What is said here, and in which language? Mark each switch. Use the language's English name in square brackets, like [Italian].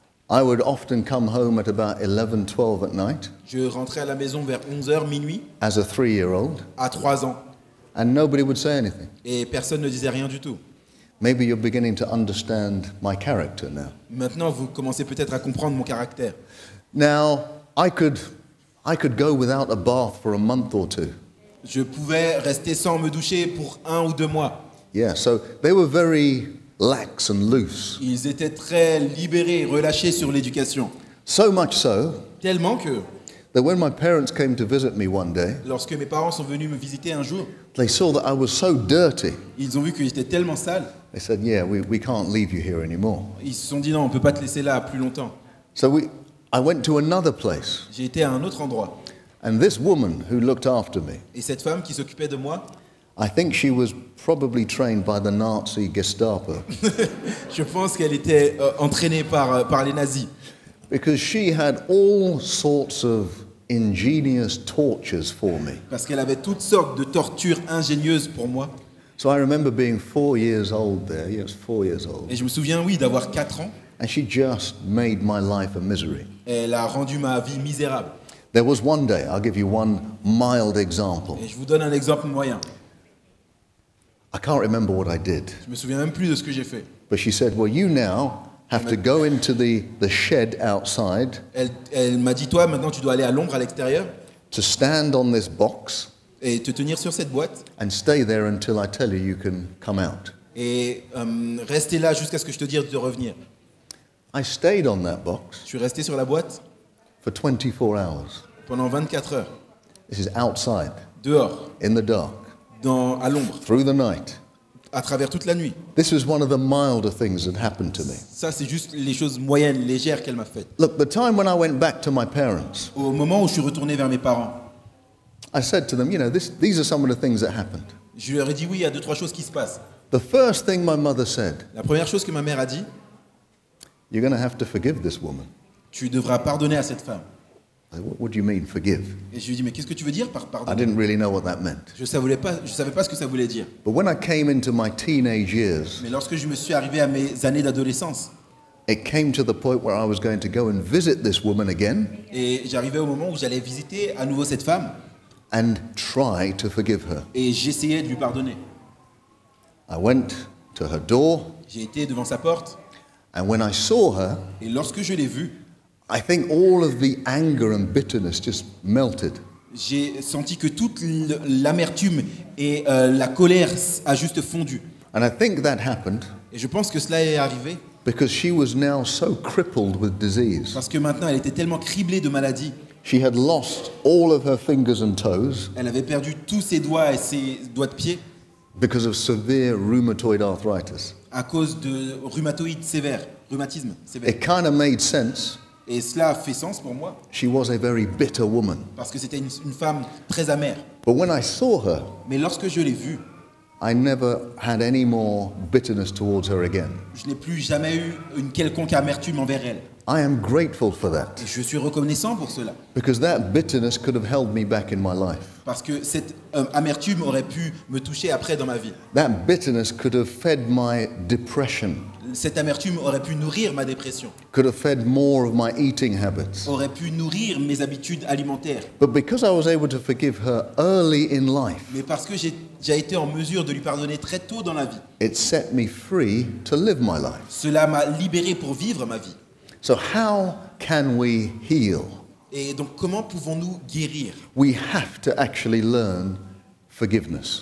[English] I would often come home at about 11, 12 at night. [French] Je rentrais à la maison vers 11h minuit. [English] As a 3 year old. [French] À 3 ans. [English] And nobody would say anything. [French] Et personne ne disait rien du tout. [English] Maybe you're beginning to understand my character now. [French] Maintenant, vous commencez peut-être à comprendre mon caractère. [English] Now, I could go without a bath for a month or two. [French] Je pouvais rester sans me doucher pour 1 ou 2 mois. [English] Yeah, so they were very lax and loose. [French] Ils étaient très libérés, relâchés sur l'éducation. [English] So much so. [French] Tellement que. [English] That when my parents came to visit me one day, [French] lorsque mes parents sont venus me visiter un jour, [English] they saw that I was so dirty. [French] Ils ont vu que j'étais tellement sale. [English] They said, "Yeah, we can't leave you here anymore." [French] Ils se sont dit non, on peut pas te laisser là plus longtemps. [English] So I went to another place. [French] J'ai été à un autre endroit. [English] And this woman who looked after me. [French] Et cette femme qui s'occupait de moi. [English] I think she was probably trained by the Nazi Gestapo. [French] Je pense qu'elle était entraînée par les nazis. [English] Because she had all sorts of ingenious tortures for me. [French] Parce qu'elle avait toutes sortes de tortures ingénieuses pour moi. [English] So I remember being 4 years old there. Yes, 4 years old. [French] Et je me souviens, oui, d'avoir 4 ans. [English] And she just made my life a misery. [French] Elle a rendu ma vie misérable. [English] There was one day, I'll give you one mild example. [French] Et je vous donne un exemple moyen. [English] I can't remember what I did. [French] Je me souviens même plus de ce que j'ai fait. [English] But she said, well, you now have to go into the shed outside. [French] Elle m'a dit, toi maintenant tu dois aller à l'ombre à l'extérieur. [English] To stand on this box. [French] Et te tenir sur cette boîte. [English] And stay there until I tell you you can come out. [French] Et rester là jusqu'à ce que je te dise de revenir. [English] I stayed on that box. [French] Je suis resté sur la boîte. [English] For 24 hours. [French] Pendant 24 heures. [English] This is outside. [French] Dehors. [English] In the dark. [French] À l'ombre. [English] Through the night. [French] À travers toute la nuit. [English] This is one of the milder things that happened to me. [French] Ça, c'est juste les choses moyennes, légères qu'elle m'a faites. [English] Look, the time when I went back to my parents. [French] Au moment où je suis retourné vers mes parents. [English] I said to them, you know, these are some of the things that happened. [French] Je leur ai dit oui, il y a 2-3 choses qui se passent. [English] The first thing my mother said. [French] La première chose que ma mère a dit. [English] You're going to have to forgive this woman. [French] Tu devras pardonner à cette femme. [English] What do you mean, forgive? [French] Et je lui dis, mais qu'est-ce que tu veux dire par pardon? [English] I didn't really know what that meant. [French] Je savais pas ce que ça voulait dire. [English] But when I came into my teenage years, [French] mais lorsque je me suis arrivé à mes années d'adolescence, [English] it came to the point where I was going to go and visit this woman again. [French] Et j'arrivais au moment où j'allais visiter à nouveau cette femme. [English] And try to forgive her. [French] Et j'essayais de lui pardonner. [English] I went to her door. [French] J'ai été devant sa porte. [English] And when I saw her, [French] et lorsque je l'ai vue. [English] I think all of the anger and bitterness just melted. [French] J'ai senti que toute l'amertume et la colère a juste fondu. [English] And I think that happened. [French] Et je pense que cela est arrivé. [English] Because she was now so crippled with disease. [French] Parce que maintenant elle était tellement criblée de maladies. [English] She had lost all of her fingers and toes. [French] Elle avait perdu tous ses doigts et ses doigts de pied. [English] Because of severe rheumatoid arthritis. [French] À cause de rhumatoïde sévère, rhumatisme sévère. [English] It kind of made sense. [French] Et cela a fait sens pour moi. [English] She was a very bitter woman. [French] Parce que c'était une femme très amère. [English] But when I saw her, [French] mais lorsque je l'ai vue, [English] I never had any more bitterness towards her again. [French] Je n'ai plus jamais eu une quelconque amertume envers elle. [English] I am grateful for that. [French] Et je suis reconnaissant pour cela. [English] Because that bitterness could have held me back in my life. [French] Parce que cette amertume aurait pu me toucher après dans ma vie. [English] That bitterness could have fed my depression. [French] Cette amertume aurait pu nourrir ma dépression. [English] Could have fed more of my eating habits. [French] Aurait pu nourrir mes habitudes alimentaires. [English] But because I was able to forgive her early in life. [French] Mais parce que j'ai été en mesure de lui pardonner très tôt dans la vie. [English] It set me free to live my life. [French] Cela m'a libéré pour vivre ma vie. [English] So how can we heal? [French] Et donc comment pouvons-nous guérir? [English] We have to actually learn forgiveness.